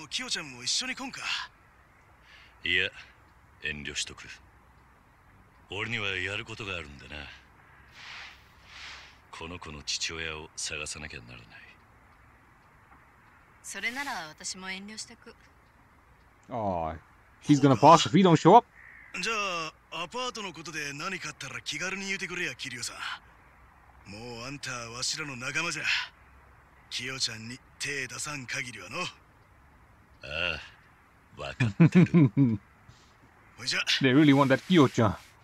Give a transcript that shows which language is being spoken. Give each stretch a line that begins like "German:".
Japanese: キヨちゃんも一緒に来んか。いや、遠慮しとく。俺にはやることがあるんだな。この子の父親を探さなきゃならない。それなら私も遠慮してく。
English: あ、He's gonna pass if he don't show up.
Japanese: じゃあアパートのことで何かあったら気軽に言ってくれや、キリオさん。もうあんたはわしらの仲間じゃ。キヨちゃんに手出さん限りはの。ああ、わかってる。じゃ。
English: They really want that キヨちゃん。